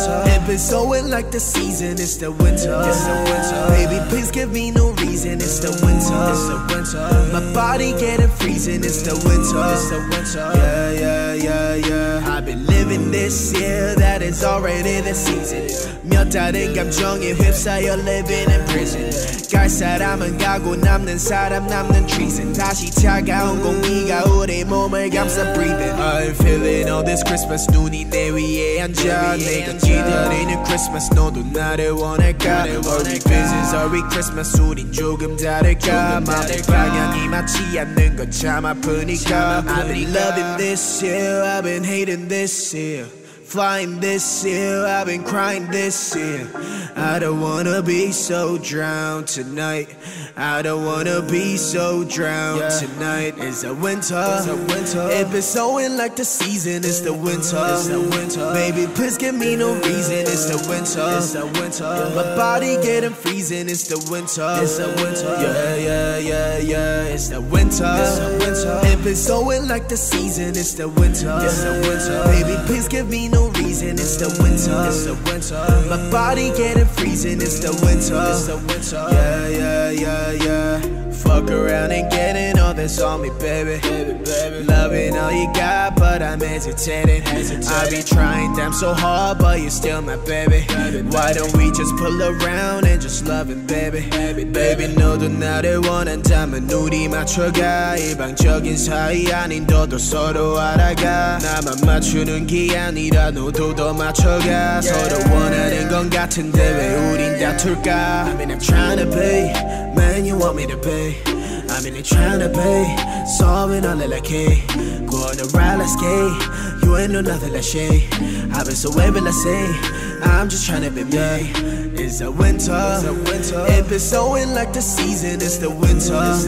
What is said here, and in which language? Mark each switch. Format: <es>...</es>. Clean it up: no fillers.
<en>It been snowing like the season. It's the winter. Baby, please give me no reason. It's the winter. My body getting freezing. It's the winter. Yeah. I've been living this year. That is already the season.</en> <ko>멸탈은 감정에 휩싸여</ko> <en>living in prison.</en> <ko>갈 사람은 가고 남는 사람 남는 treason. 다시 차가운 공기가 우리 몸을 감싸 breathing.</ko> <en>I'm feeling all this Christmas.</en> <ko>눈이 내 위에 앉아. 내가 기다리는 Christmas. 너도 나를 원할까?</ko> <en>Are we business? Are we Christmas?</en> <ko>우린 조금 다를까? 마음의 방향이 맞지 않는 것 참 아프니까.</ko> <en>I've been loving this year. I've been hating this year. Flying this year, I've been crying this year. I don't wanna be so drowned tonight. I don't wanna be so drowned tonight. It's a winter. It been snowing like the season. It's the winter. Baby, please give me no reason. It's the winter. My body getting freezing. It's the winter. Yeah. It's the winter. It been snowing like the season. It's the winter. Baby, please give me no reason. It's the winter. My body getting freezing. It's the winter. Yeah. Fuck around and getting all this on me, baby. Loving all you got, but I'm hesitating. I be trying damn so hard, but you're still my baby. Why don't we just pull around and just love it, baby?</en> <ko>Baby, 너도 나를 원한다면 우리 맞춰가. 일방적인 사이 아닌 너도 서로 알아가. 나만 맞추는 게 아니라 너도 더 맞춰가. 서로 원하는 건 같은데 왜 우린 다툴까?</ko> <en>I mean I'm trying to be man you want me to be. I mean I'm trying to be solving all the like go on a roller skate. You ain't know nothing like shade. I've been so wavy like say I'm just trying to be me. It's a winter. It been snowing like the season. It's the winter.</en>